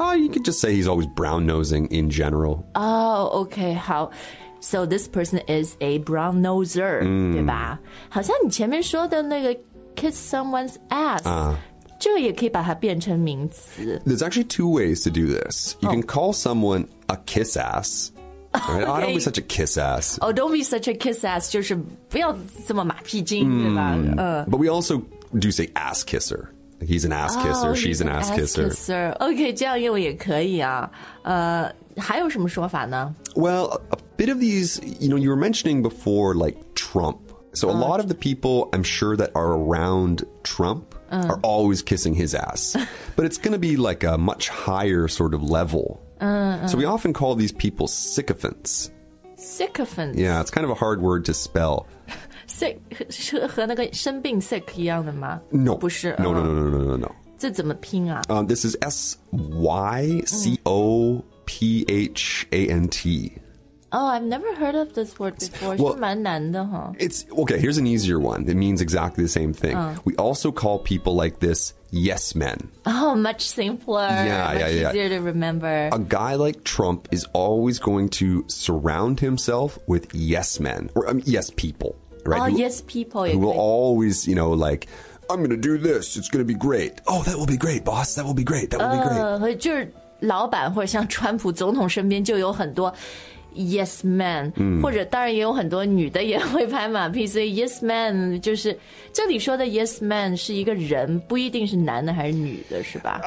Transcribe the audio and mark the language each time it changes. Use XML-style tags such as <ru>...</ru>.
<en>you could just say he's always brown nosing in general</en> <zh>okay 好</zh> <en>so this person is a brown noser、</en> <zh>对吧好像你前面说的那个</zh> <en>kiss someone's ass、</en> <zh>这个也可以把它变成名词</zh> <en>there's actually two ways to do this you、can call someone a kiss ass right? Okay. Oh, don't be such a kiss ass. Oh, don't be such a kiss ass.</en> <zh>就是不要这么马屁精、对吧、</zh> <en>But we also do say ass kisser. He's an ass kisser. Oh, she's an ass kisser.</en> <zh>Okay, 这样用也可以啊。还有什么说法呢</zh> <en>Well, a bit of these, you know, you were mentioning before, like Trump. So a lot of the people I'm sure that are around Trump、are always kissing his ass. But it's going to be like a much higher sort of level. So we often call these people sycophants. Sycophants? Yeah, it's kind of a hard word to spell.</en> <zh>Sick, 和那个生病 sick 一样的吗</zh> <en>No.</en> <zh>不是</zh> <en>no, no, no, no, no, no.</en> <zh>这怎么拼啊、</zh> <en>This is S-Y-C-O-P-H-A-N-T.、 Oh, I've never heard of this word before. Well,</en> <zh>是蛮难的哈、</zh> <en>It's, okay, here's an easier one. It means exactly the same thing.、We also call people like this yes men. Oh, much simpler. Yeah, much yeah, yeah. Much easier to remember. A guy like Trump is always going to surround himself with yes men, or yes people, right? Oh, who, yes people. Who will always, you know, like... I'm going to do this. It's going to be great. Oh, that will be great, boss. That will be great. That will be great.</en> <zh>就是老板或者像川普总统身边就有很多 yes man、或者当然也有很多女的也会拍马屁所以 yes man 就是这里说的 yes man 是一个人不一定是男的还是女的是吧</zh>